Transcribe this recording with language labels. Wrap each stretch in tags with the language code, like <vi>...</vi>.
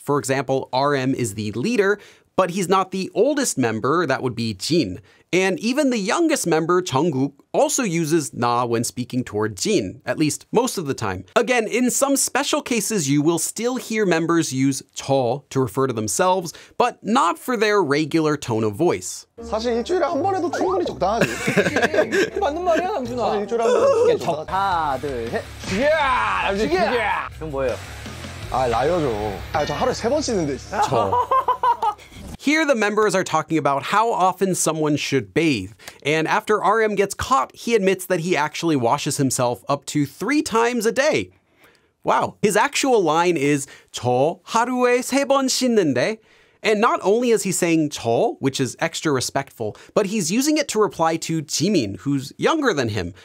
<en>For example, RM is the leader, but he's not the oldest member, that would be Jin. And even the youngest member, Jungkook, also uses na when speaking toward Jin, at least most of the time. Again, in some special cases, you will still hear members use 저 to refer to themselves, but not for their regular tone of voice.</en> <ko>사실 일주일에 한 번에도 충분히 적당하지. 맞는 말이야, 남준아. 사실 일주일에 한 번에 적당하지. 하나, 둘, 셋. 죽여! 죽여! 그럼 뭐예요? 아, 라이어죠. 아, 저 하루에 세 번 씻는데. 저.</ko> <en>Here the members are talking about how often someone should bathe. And after RM gets caught, he admits that he actually washes himself up to 3 times a day. Wow. His actual line is</en> <ko>저 하루에 세 번 씻는데.</ko> <en>And not only is he saying 저, which is extra respectful, but he's using it to reply to Jimin, who's younger than him.</en>